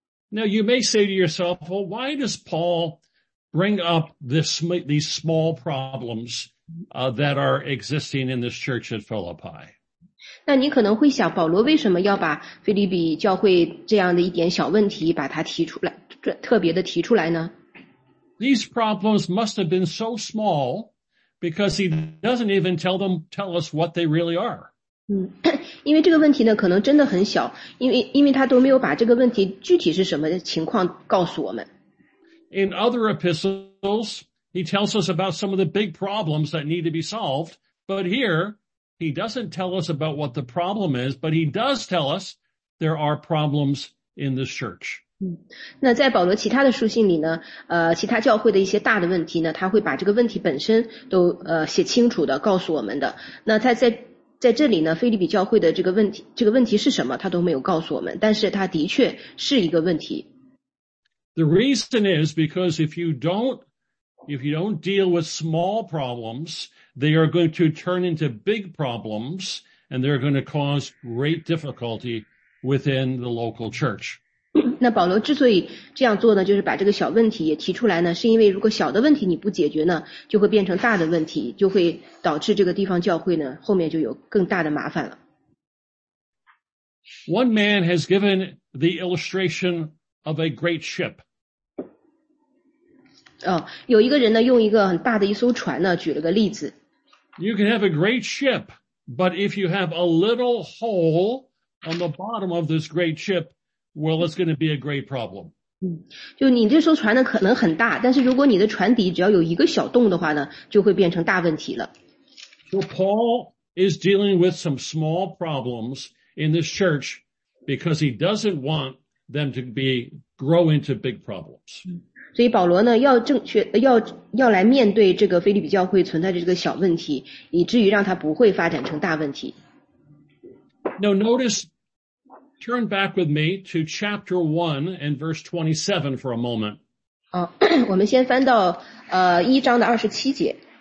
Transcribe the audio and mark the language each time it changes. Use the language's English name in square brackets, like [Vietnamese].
[English] Now you may say to yourself, well, why does Paul bring up these small problems, that are existing in this church at Philippi? [Chinese] 那你可能会想，保罗为什么要把腓立比教会这样的一点小问题把它提出来，特别的提出来呢？ [English] These problems must have been so small,because he doesn't even tell us what they really are. [Chinese] 因为这个问题呢可能真的很小，因为他都没有把这个问题具体是什么情况告诉我们。 [English] In other epistles, he tells us about some of the big problems that need to be solved, but here, he doesn't tell us about what the problem is, but he does tell us there are problems in this church. [Chinese] 那在保罗其他的书信里呢，其他教会的一些大的问题呢，他会把这个问题本身都写清楚的告诉我们的。那他在这里呢，腓立比教会的这个问题是什么，他都没有告诉我们，但是他的确是一个问题。 [English] The reason is because if you don't deal with small problems, they are going to turn into big problems, and they're going to cause great difficulty within the local church. [Chinese] 那保罗之所以这样做呢，就是把这个小问题也提出来呢，是因为如果小的问题你不解决呢，就会变成大的问题，就会导致这个地方教会呢，后面就有更大的麻烦了。 [English] One man has given the illustration of a great ship. [Chinese] 哦，有一个人呢，用一个很大的一艘船呢，举了个例子。 [English] You can have a great ship, but if you have a little hole on the bottom of this great ship,Well, it's going to be a great problem. [Chinese] 就你这艘船呢可能很大，但是如果你的船底只要有一个小洞的话呢，就会变成大问题了。 [English] So Paul is dealing with some small problems in this church because he doesn't want them to grow into big problems. [Chinese] 所以保罗呢要正确要来面对这个腓立比教会存在的这个小问题，以至于让它不会发展成大问题。 [English] Now notice. Turn back with me to chapter 1 and verse 27 for a moment. [Chinese] 我们先翻到一章的27节。